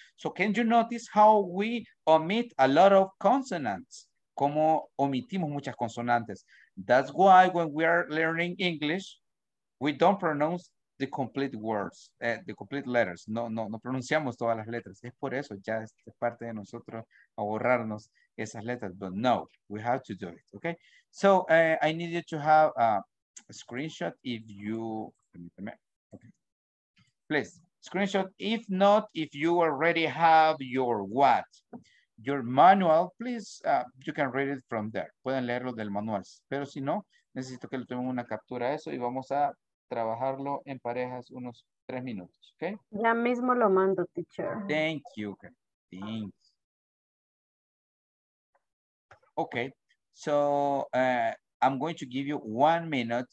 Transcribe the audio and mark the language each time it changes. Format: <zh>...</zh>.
<en>So, can you notice how we omit a lot of consonants?</en> <es>¿Cómo omitimos muchas consonantes?</es> <en>That's why when we are learning English, we don't pronounce the complete words, the complete letters.</en> <es>No pronunciamos todas las letras. Es por eso, ya es parte de nosotros ahorrarnos esas letras.</es> <en>But no, we have to do it, okay? So, I need you to have a screenshot if you, okay. Please, screenshot. If not, if you already have your what? Your manual, please, you can read it from there.</en> <es>Pueden leerlo del manual. Pero si no, necesito que le tomen una captura a eso y vamos a trabajarlo en parejas unos tres minutos, ¿ok? Ya mismo lo mando, teacher.</es> <en>Thank you. Thanks. Ok. So, I'm going to give you 1 minute.</en>